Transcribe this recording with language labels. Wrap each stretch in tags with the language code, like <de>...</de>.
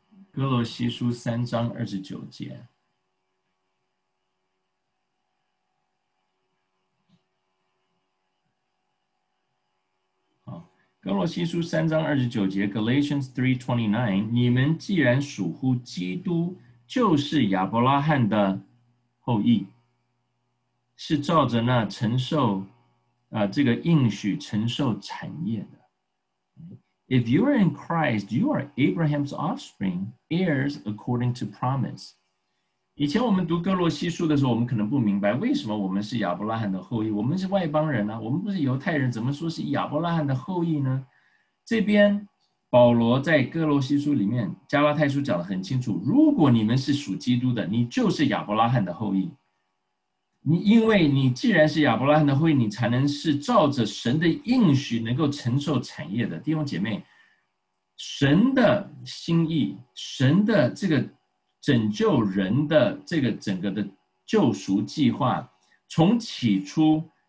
<zh>哥罗西书三章二十九节，好，哥罗西书三章二十九节 Galatians 3:29， 你们既然属乎基督，就是亚伯拉罕的后裔，是照着那承受这个应许承受产业的。</zh> <en>If you are in Christ, you are Abraham's offspring, heirs according to promise.</en> <zh>以前我们读哥罗西书的时候，我们可能不明白为什么我们是亚伯拉罕的后裔，我们是外邦人啊，我们不是犹太人，怎么说是亚伯拉罕的后裔呢？这边保罗在哥罗西书里面加拉太书讲得很清楚，如果你们是属基督的，你就是亚伯拉罕的后裔，你因为你既然是亚伯拉罕的后裔，你才能是照着神的应许能够承受产业的。弟兄姐妹，神的心意，神的这个拯救人的这个整个的救赎计划，从起初</zh>